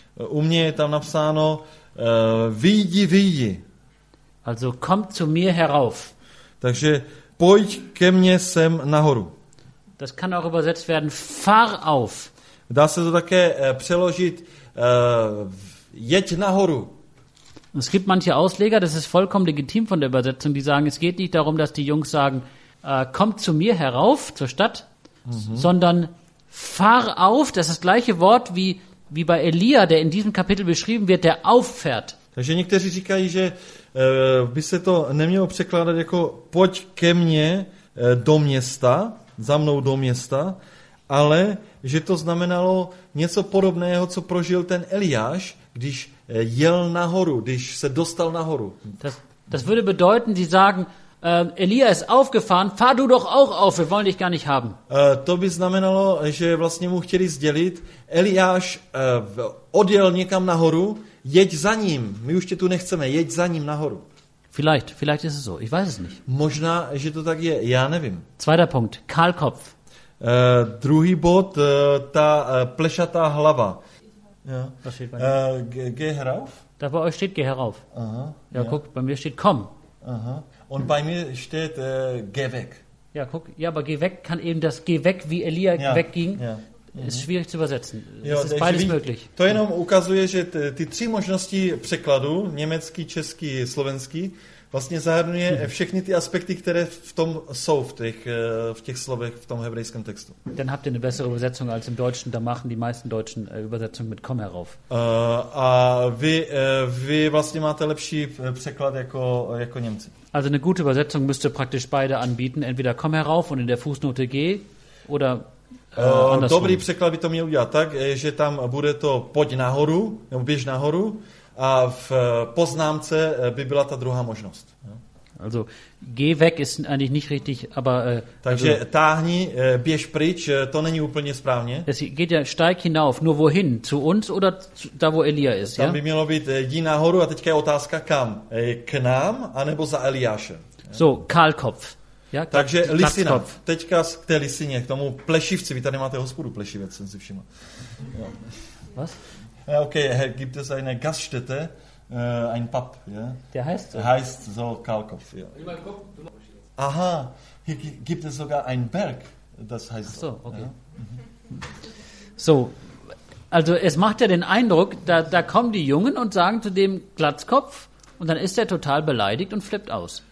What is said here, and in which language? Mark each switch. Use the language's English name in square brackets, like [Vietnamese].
[Czech] U mě je tam napsáno, vyjdi, vyjdi. [German] Also, komm zu mir herauf. [Czech] Takže pojď ke mně sem nahoru. [German] Das kann auch übersetzt werden, fahr auf. [Czech] Dá se to také přeložit, jeď nahoru. [German] Es gibt manche Ausleger, das ist vollkommen legitim von der Übersetzung, die sagen, es geht nicht darum, dass die Jungs sagen, komm zu mir herauf, zur Stadt, sondern fahr auf, das ist das gleiche Wort wie bei Elia, der in diesem Kapitel beschrieben wird, der auffährt. [Czech] Takže někteří říkají, že by se to nemělo překládat jako pojď ke mně do města, za mnou do města, ale že to znamenalo něco podobného, co prožil ten Eliáš, když jel nahoru, když se dostal nahoru. [German] Das würde bedeuten, sie sagen, Elia ist aufgefahren, fahr du doch auch auf, wir wollen dich gar nicht haben. [Czech] To by znamenalo, že vlastně mu chtěli sdělit, Eliáš odjel někam nahoru, jeď za ním, my už tě tu nechceme, jeď za ním nahoru. [German] Vielleicht ist es so, ich weiß es nicht. [Czech] Možná, že to tak je, já nevím. [German] Zweiter Punkt, Kahlkopf. [Czech] Druhý bod, ta plešatá hlava. [German] Ja. Geh herauf. Da bei euch steht geh herauf. Aha, ja, guck, bei mir steht komm. Aha. Und bei mir steht geh weg. Ja, guck, ja, aber geh weg kann eben das geh weg, wie Elia wegging, ist schwierig zu übersetzen. Es ist beides möglich. [Czech] To jenom ukazuje, že ty tři možnosti překladu, německý, český, slovenský, vlastně zahrnuje všechny ty aspekty, které v tom jsou, v těch slovech, v tom hebrejském textu. [German] Dann habt ihr eine bessere Übersetzung als im Deutschen, da machen die meisten deutschen Übersetzungen mit komm herauf. [Czech] A vy vlastně máte lepší překlad jako Němci. [German] Also eine gute Übersetzung müsste praktisch beide anbieten, entweder komm herauf und in der Fußnote geh, oder andersrum. [Czech] Dobrý překlad by to měl udělat tak, že tam bude to pojď nahoru, nebo běž nahoru, a v poznámce by byla ta druhá možnost. [German] Also, geh weg ist eigentlich nicht richtig, aber... [Czech] Takže táhni, běž pryč, to není úplně správně. [German] Es geht ja steig hinauf, nur wohin, zu uns oder da, wo Elia ist, [Czech] ja? Tam by mělo být, jdi nahoru a teďka je otázka kam, k nám, anebo za Eliášem. [German] So, Kahlkopf. [Czech] Ja, takže lisina, teďka k té lisině, k tomu plešivci, vy tady máte hospodu plešivec, jsem si všiml. [German] Was? Okay, gibt es eine Gaststätte, ein Pub, ja? [English] Yeah? [German] Der heißt so. Heißt so Kalkopf, ja. Yeah. Aha, hier gibt es sogar einen Berg, das heißt so. Ach so, okay. So, also es macht ja den Eindruck, da kommen die Jungen und sagen zu dem Glatzkopf und dann ist er total beleidigt und flippt aus.